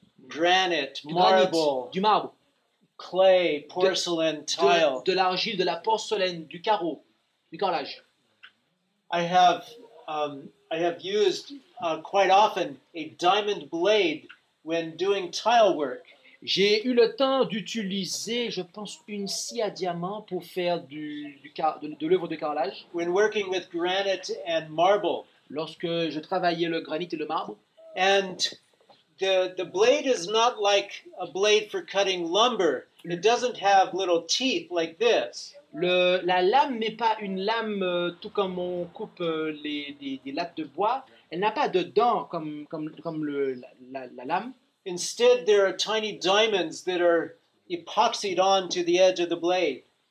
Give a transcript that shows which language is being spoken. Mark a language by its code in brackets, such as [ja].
[en] Granite, marble. [fr] Du marbre. [en] Clay, porcelain, tile. [fr] De l'argile, de la porcelaine, du carreau, du carrelage. [en] I have used quite often a diamond blade when doing tile work. [fr] J'ai eu le temps d'utiliser, je pense, une scie à diamant pour faire de l'œuvre de carrelage. [en] When working with granite and marble. [fr] Lorsque je travaillais le granit et le marbre. [en] And the blade is not like a blade for cutting lumber. It doesn't have little teeth like this. [fr] La lame n'est pas une lame tout comme on coupe les lattes de bois. Elle n'a pas de dents comme la lame. [en] Instead, there are tiny diamonds that are epoxied on to the edge of the blade.